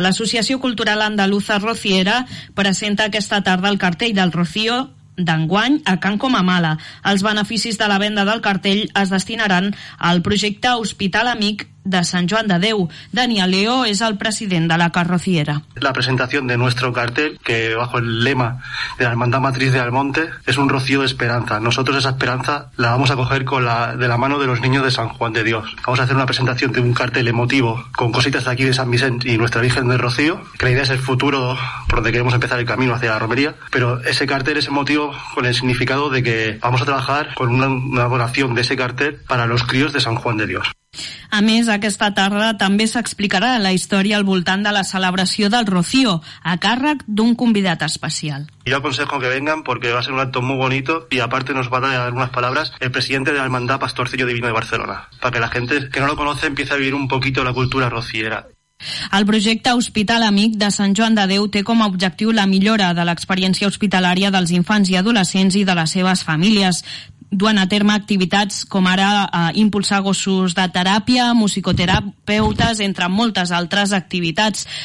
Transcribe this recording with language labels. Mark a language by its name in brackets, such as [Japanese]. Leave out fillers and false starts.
[Catalan] L'Associació Cultural Andaluza Rociera presenta aquesta tarda el cartell del Rocío d'enguany a Can Comamala. Els beneficis de la venda del cartell es destinaran al projecte Hospital Amic de Sant Joan de Déu. Daniel Leo és el president de la Carrociera. La presentació de [Spanish] nuestro cartel, que bajo el lema de la Hermandad Matriz de Almonte, es un rocío de esperanza. Nosotros esa esperanza la vamos a coger con la de la mano de los niños de San Juan de Dios. Vamos a hacer una presentación de un cartel emotivo con cositas de aquí de San Vicente y nuestra Virgen del Rocío, que la idea es el futuro por donde queremos empezar el camino hacia la romería, pero ese cartel es emotivo con el significado de que vamos a trabajar con una elaboración de ese cartel para los críos de San Juan de Dios. [Catalan] A més, aquesta tarda també s'explicarà la història al voltant de la celebració del Rocío, a càrrec d'un convidat especial. [Spanish] Yo aconsejo que vengan porque va a ser un acto muy bonito y aparte nos va a dar unas palabras el presidente de la Hermandad Pastorcillo Divino de Barcelona, para que la gente que no lo conoce empiece a vivir un poquito la cultura rociera. [Catalan] El projecte Hospital Amic de Sant Joan de Déu té com a objectiu la millora de l'experiència hospitalària dels infants i adolescents i de les seves famílies, duant a terme activitats com ara impulsar gossos de teràpia, musicoterapeutes, entre moltes altres activitats.